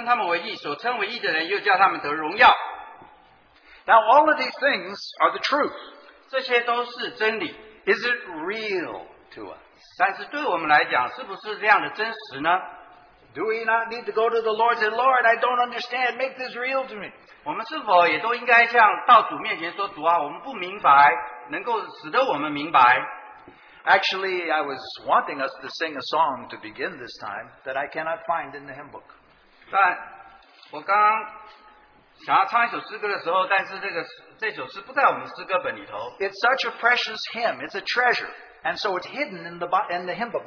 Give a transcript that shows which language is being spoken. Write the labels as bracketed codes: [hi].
[zh] 他预先所预定的，他要招他来，所招他来是要称他们为义，称他们为义，所称为义的人又叫他们得荣耀。 [en] Now all of these things are the truth. [zh] 这些都是真理。 [en] Is it real to us? [zh] 但是对我们来讲，是不是这样的真实呢？ [en] Do we not need to go to the Lord and say, Lord, I don't understand. Make this real to me. [zh] 我们是否也都应该向道主面前说，主啊，我们不明白，能够使得我们明白。 [en] Actually, I was wanting us to sing a song to begin this time that I cannot find in the hymn book. [zh] 但我刚刚想要唱一首诗歌的时候，但是这首诗不在我们诗歌本里头。 [en] It's such a precious hymn. It's a treasure. And so it's hidden in the hymn book.